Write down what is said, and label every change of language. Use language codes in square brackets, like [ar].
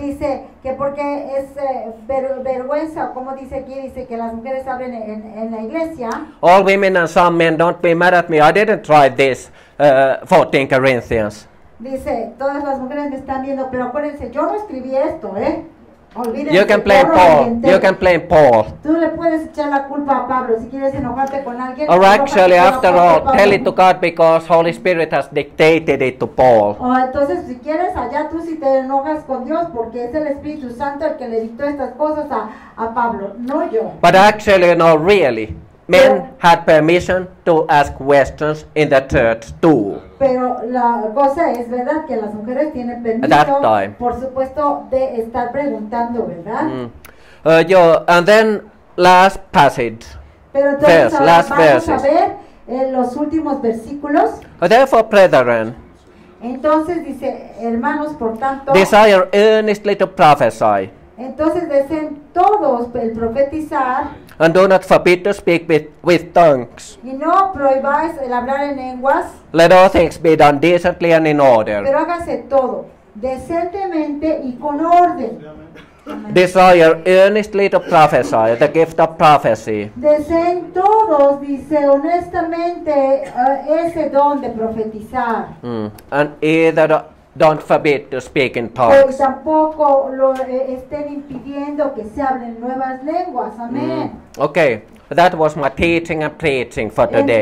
[es] Dice que porque es vergüenza, como dice aquí, dice que las mujeres hablen en la iglesia. [en] All women and some men, don't be mad at me. I didn't write this 14 Corinthians. [es] Dice, todas las mujeres me están viendo, pero acuérdense, yo no escribí esto, ¿eh? Olvídense. [en] You can blame Paul. Oriente. You can blame Paul. [es] Tú le puedes echar la culpa a Pablo si quieres enojarte con alguien. [en] Or actually, after all, tell it to God because Holy Spirit has dictated it to Paul. [es] Entonces, si quieres, allá tú si te enojas con Dios porque es el Espíritu Santo el que le dictó estas cosas a Pablo, no yo. [en] But actually, no, really. Men had permission to ask questions in the church too. [es] Pero la cosa es verdad que las mujeres tienen permiso, [en] that time, [es] por supuesto, de estar preguntando, ¿verdad? [en] And then last passage. [es] Pero entonces, verse, ahora, [en] last verse. [es] Vamos verses. A ver en los últimos versículos. [en] Therefore, brethren. [es] Entonces dice, hermanos, por tanto. [en] Desire earnestly to prophesy. [es] Entonces deseen todos el profetizar. [en] And do not forbid to speak with tongues. [es] Y no prohibáis el hablar en lenguas. [en] Let all things be done decently and in order. [es] Pero hágase todo decentemente y con orden. [en] Desire earnestly to prophesy, the gift of prophecy. [es] Deseen todos, dice honestamente, ese don de profetizar. [en] And either Don't forbid to speak in tongues. [es] Tampoco lo estén impidiendo que se hablen nuevas lenguas. Amen. Mm. [en] Okay, that was my teaching and preaching for today.